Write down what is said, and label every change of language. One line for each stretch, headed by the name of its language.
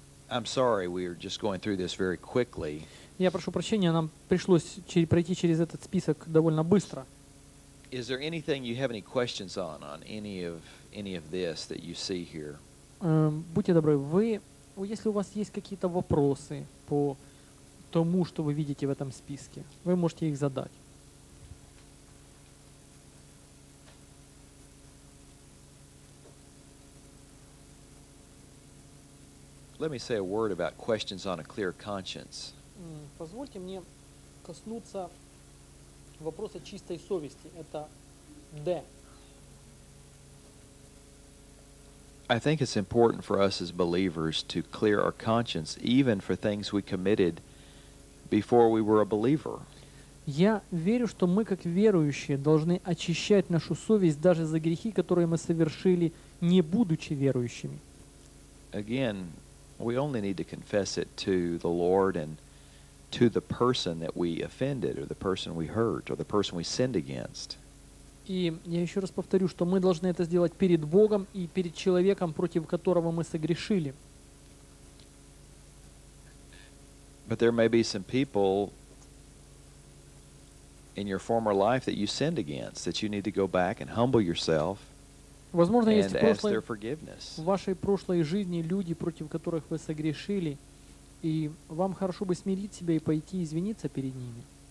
English: I'm sorry, we are just going through this very quickly.
Russian: Я прошу прощения, нам пришлось пройти через этот список довольно быстро.
English: Is there anything you have any questions on any of this that you see here?
Russian: Будьте добры, вы, если у вас есть какие-то вопросы по тому, что вы видите в этом списке, вы можете их задать.
English: Let me say a word about questions on a clear conscience.
Russian: Позвольте мне коснуться вопрос о чистой совести. Это D.
English: I think it's important for us as believers to clear our conscience even for things we committed before we were a believer.
Russian: Я верю, что мы как верующие должны очищать нашу совесть даже за грехи, которые мы совершили, не будучи верующими.
English: Again, we only need to confess it to the Lord and to the person that we offended, or the person we hurt, or the person we sinned against.
Russian: И я еще раз повторю, что мы должны это сделать перед Богом и перед человеком, против которого мы согрешили.
English: But there may be some people in your former life that you sinned against that you need to go back and humble yourself.
Russian: Возможно,
English: and ask their forgiveness.
Russian: В вашей прошлой жизни люди, против которых вы согрешили. И вам хорошо бы смирить себя и пойти извиниться перед ними.